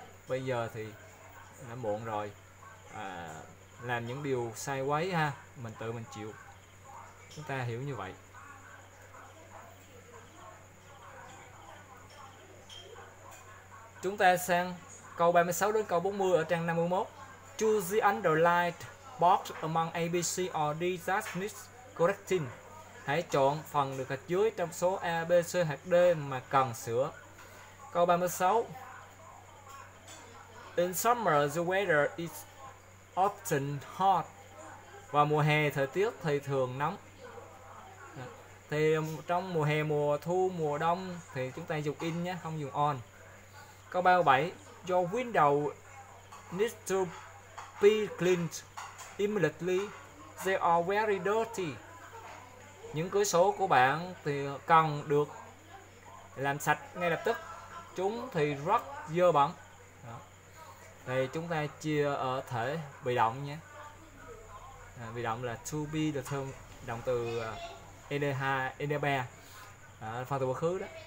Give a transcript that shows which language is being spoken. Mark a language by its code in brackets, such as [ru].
[vi] Bây giờ thì đã muộn rồi. Làm những điều sai quấy ha, mình tự mình chịu. Chúng ta hiểu như vậy. Chúng ta sang câu 36 đến câu 40 ở trang 51. [en] Choose the under light box among A, B, C or D that needs correcting. [vi] Hãy chọn phần được gạch dưới trong số A, B, C hoặc D mà cần sửa. Câu 36. [en] In summer the weather is often hot. [vi] Vào mùa hè thời tiết thì thường nóng. Thì trong mùa hè, mùa thu, mùa đông thì chúng ta dùng in nhé, không dùng on. Câu 37, [en] your window needs to be cleaned immediately. They are very dirty. [vi] Những cửa sổ của bạn thì cần được làm sạch ngay lập tức. Chúng thì rất dơ bẩn. Thì chúng ta chia ở thể bị động nhé. Bị động là to be, là động từ ED2, ED3, phần từ quá khứ đó.